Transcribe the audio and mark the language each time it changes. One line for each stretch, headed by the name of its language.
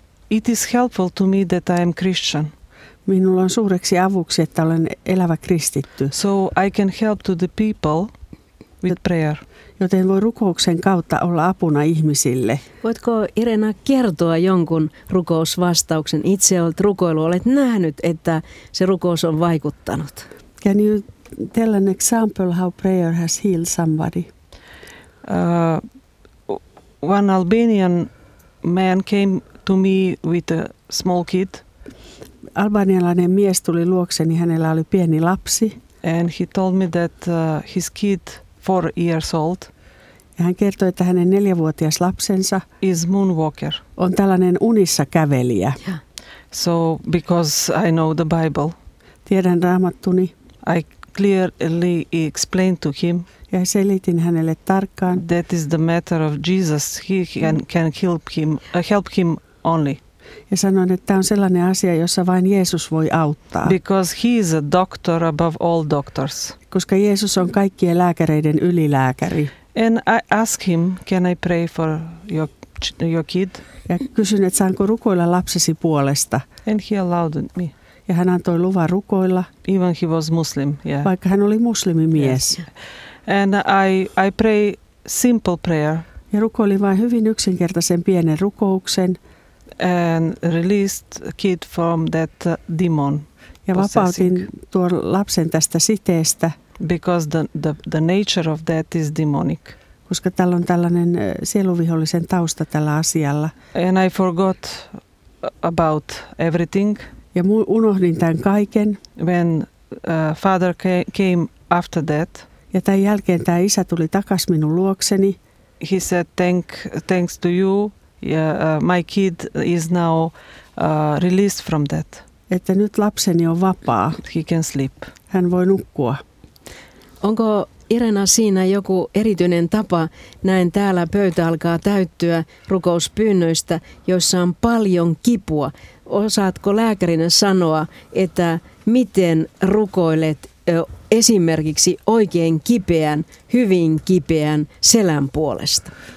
English: It is helpful to me that I am Christian.
Finnish: Minulla on suureksi avuksi, että olen elävä kristitty.
English: So I can help to the people with prayer.
Finnish: Joten voi rukouksen kautta olla apuna ihmisille. Voitko Irena kertoa jonkun rukousvastauksen? Itse olet rukoillut, olet nähnyt, että se rukous on vaikuttanut.
English: Can you tell an example how prayer has healed somebody? One Albanian man came to me with a small kid.
Finnish: Albanialainen mies tuli luokseni, hänellä oli pieni lapsi.
English: And he told me that his kid, 4 years old.
Finnish: Ja hän kertoi, että hänen 4-vuotias lapsensa
English: is moonwalker.
Finnish: On tällainen unissa kävelijä.
English: Yeah. So because I know the Bible.
Finnish: Tiedän Raamattuni.
English: I clearly explained to him.
Finnish: Ja selitin hänelle tarkkaan.
English: That is the matter of Jesus. He can help him only.
Finnish: Ja sanoin, että tämä on sellainen asia, jossa vain Jeesus voi auttaa.
English: Because he is a doctor above all doctors.
Finnish: Koska Jeesus on kaikkien lääkäreiden ylilääkäri.
English: And I ask him, can I pray for your kid?
Finnish: Ja kysyn, että saanko rukoilla lapsesi puolesta.
English: And he allowed me.
Finnish: Ja hän antoi luvan rukoilla.
English: Even he was Muslim, yeah.
Finnish: Vaikka hän oli muslimimies.
English: Yes. And I pray simple prayer.
Finnish: Ja rukoilin vain hyvin yksinkertaisen pienen rukouksen.
English: And released kid from that demon.
Finnish: Ja vapautin tuon lapsen tästä siteestä.
English: Because the nature of that is demonic.
Finnish: Koska tällä on tällainen sieluvihollisen tausta tällä asialla.
English: And I forgot about everything.
Finnish: Ja unohdin tämän kaiken.
English: When father came after that.
Finnish: Ja tämän jälkeen tämä isä tuli takas minun luokseni.
English: He said thanks to you. Yeah, my kid is now released from that.
Finnish: Että nyt lapseni on vapaa.
English: He can sleep.
Finnish: Hän voi nukkua. Onko Irena siinä joku erityinen tapa? Näen täällä pöytä alkaa täyttyä rukouspyynnöistä, joissa on paljon kipua. Osaatko lääkärinä sanoa, että miten rukoilet esimerkiksi oikein kipeän, hyvin kipeän selän puolesta?